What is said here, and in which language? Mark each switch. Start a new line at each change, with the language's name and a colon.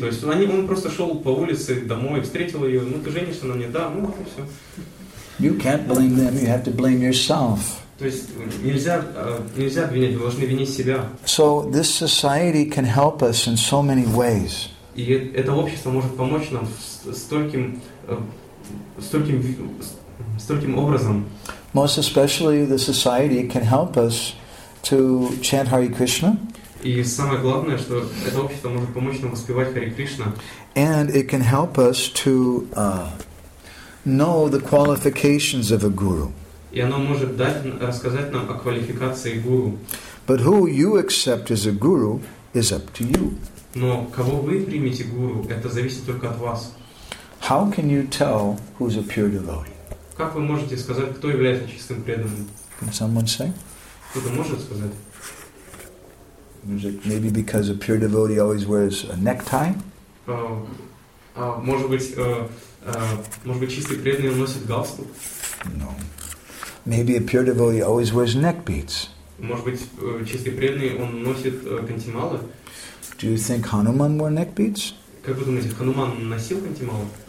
Russian: То есть он просто шел по улице домой, встретил ее, ну ты женишься на мне, да, ну вот и все.
English: You can't blame them. You have to blame yourself.
Russian: То есть нельзя обвинять, вы должны винить себя.
English: So this society can help us in so many ways.
Russian: И это общество может помочь нам стольким образом.
English: Most especially the society can help us to chant Hare Krishna.
Russian: И самое главное, что это общество может помочь нам воспевать Hare Krishna.
English: And it can help us to know the qualifications of a guru.
Russian: И оно может рассказать нам о квалификации гуру.
English: But who you accept as a guru is up to you.
Russian: Но кого вы примете гуру, это зависит только от вас.
English: How can you tell who's a pure devotee?
Russian: Как вы можете сказать, кто является чистым преданным?
English: Can someone say?
Russian: Кто-то может сказать?
English: Maybe because a pure devotee always wears a necktie?
Russian: Может быть, чистый преданный носит галстук?
English: No. Maybe a pure devotee always wears neck beads.
Russian: Может быть, чистый преданный он носит кантималы?
English: Do you think Hanuman wore neck beads?
Russian: Как вы думаете, Хануман носил кантималы?